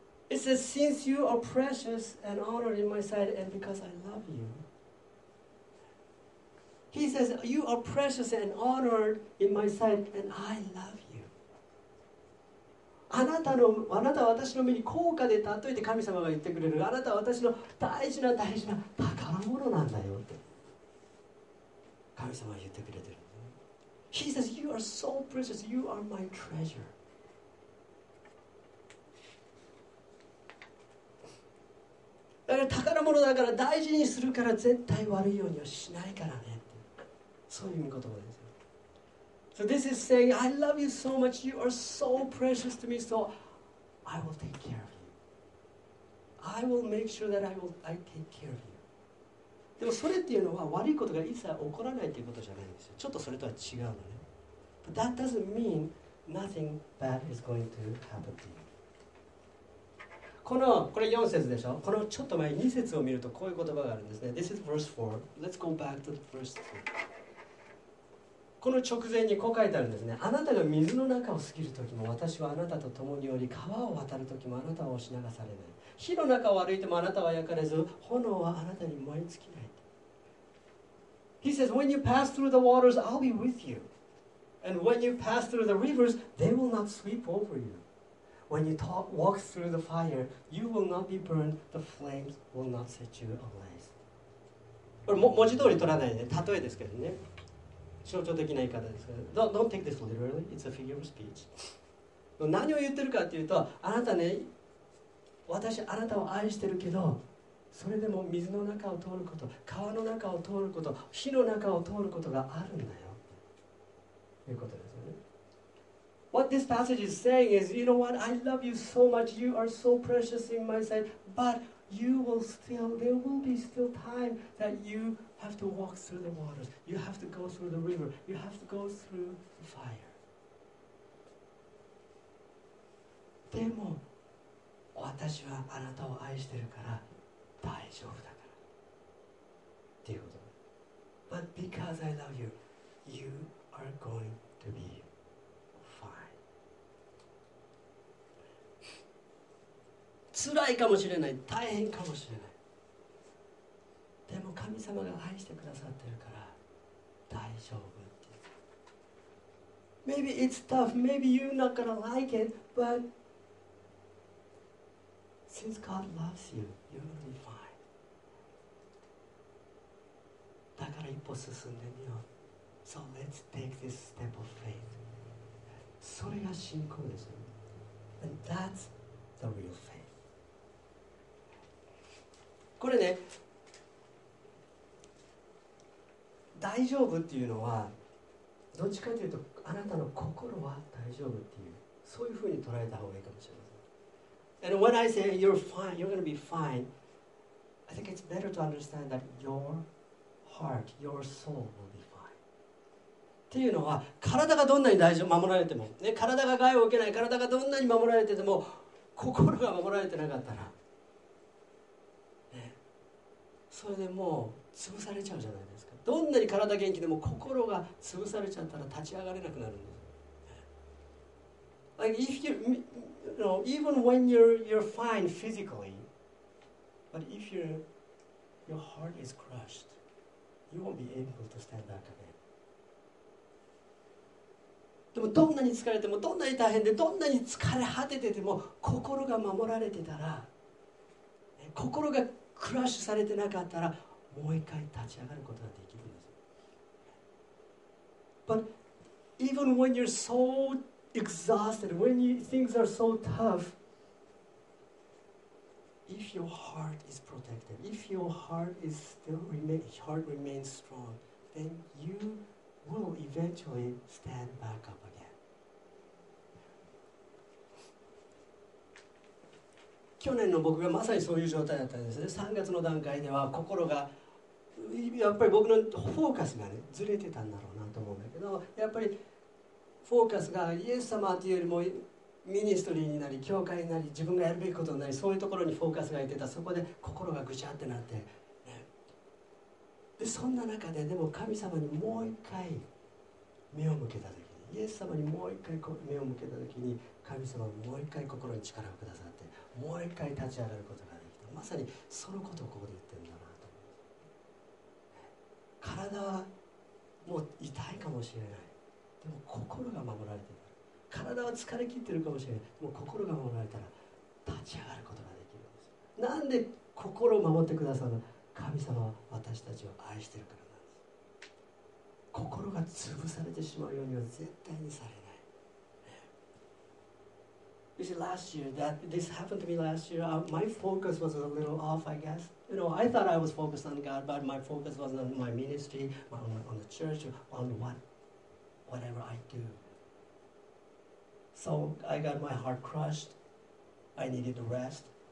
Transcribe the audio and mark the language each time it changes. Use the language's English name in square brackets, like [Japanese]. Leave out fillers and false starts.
[English] It says, since you are precious and honored in my sight, and because I love you. He says, you are precious and honored in my sight, and I love you. [Japanese] あなたは私の目に高価で尊いて神様が言ってくれる。あなたは私の大事な大事な宝物なんだよって。神様は言ってくれてる。 [English] He says, you are so precious, you are my treasure. [Japanese] だから宝物だから大事にするから絶対悪いようにはしないからねって。そういう言葉ですよ。 [English] So this is saying, I love you so much, you are so precious to me, so I will take care of you. I will make sure that I take care of you. [Japanese] でもそれっていうのは悪いことが一切起こらないっていうことじゃないんですよ。ちょっとそれとは違うのね。 [English] But that doesn't mean nothing bad is going to happen to you. [Japanese] これ4節でしょ。このちょっと前2節を見るとこういう言葉があるんですね。 [English] This is verse 4. Let's go back to the verse 2. [Japanese] この直前にこう書いてあるんですね。あなたが水の中を過ぎる時も私はあなたと共におり、川を渡る時もあなたは押し流されない。火の中を歩いてもあなたは焼かれず、炎はあなたに燃え尽きない。 [English] He says, when you pass through the waters, I'll be with you. And when you pass through the rivers, they will not sweep over you. When you walk through the fire, you will not be burned. The flames will not set you ablaze. [Japanese] これ文字通り取らないで、例えですけどね。象徴的な言い方ですけど。 [English] Don't take this literally. It's a figure of speech. [Japanese] 何を言ってるかというと、あなたね、私あなたを愛してるけど、それでも水の中を通ること、川の中を通ること、火の中を通ることがあるんだよ。ということですよね。 [English] What this passage is saying is, you know what, I love you so much, you are so precious in my sight, but you will still, there will be still time that you have to walk through the waters, you have to go through the river, you have to go through the fire. [Japanese] でも、私はあなたを愛してるから、大丈夫だから。っていうこと。 [English] But because I love you, you are going to be. [Japanese] 辛いかもしれない、大変かもしれない。でも彼神様が愛してくださってるから大丈夫って。 [English] Maybe it's tough. Maybe you're not gonna like it, but since God loves you, you'll be fine. [Japanese] だから一歩進んでみよう。 [English] So let's take this step of faith. [Japanese] それが信仰です。 [English] And that's the real faith. [Japanese] これね、大丈夫っていうのはどっちかというとあなたの心は大丈夫っていう、そういうふうに捉えた方がいいかもしれません。 [English] And when I say you're fine, you're going to be fine, I think it's better to understand that your heart, your soul will be fine. [Japanese] っていうのは体がどんなに大丈夫守られても、ね、体が害を受けない、体がどんなに守られてても心が守られてなかったら、ね、それでもう潰されちゃうじゃないですか。どんなに体元気でも心が潰されちゃったら立ち上がれなくなるんです。 [English] Like if you, you know, even when you're fine physically, but if your heart is crushed, you won't be able to stand back again. [Japanese] でもどんなに疲れても、どんなに大変で、どんなに疲れ果ててても、心が守られてたら、心がクラッシュされてなかったら、もう一回立ち上がることができるんです。 [English] But even when you're so exhausted, when things are so tough, if your heart is protected, if your heart is still heart remains strong, then you will eventually stand back up again. [Japanese] 去年の僕がまさにそういう状態だったんですね。3月の段階では心がやっぱり僕のフォーカスが、ね、ずれてたんだろうなと思うんだけど、やっぱりフォーカスがイエス様というよりもミニストリーになり教会になり自分がやるべきことになり、そういうところにフォーカスがいてた。そこで心がぐちゃってなって、ね、でそんな中ででも神様にもう一回目を向けた時に、イエス様にもう一回目を向けた時に、神様はもう一回心に力をくださって、もう一回立ち上がることができた。まさにそのことをここで言ってるんだ。体はもう痛いかもしれない。でも心が守られてる。体は疲れ切ってるかもしれない。でも心が守られたら立ち上がることができるんです。なんで心を守ってくださる神様は私たちを愛してるからなんです。心が潰されてしまうようには絶対にされない。 [English] You see, last year, this happened to me last year. My focus was a little off, I guess. You know, I thought I was focused on God, but my focus wasn't on my ministry, on the church, on whatever I do. So I got my heart crushed. I needed rest.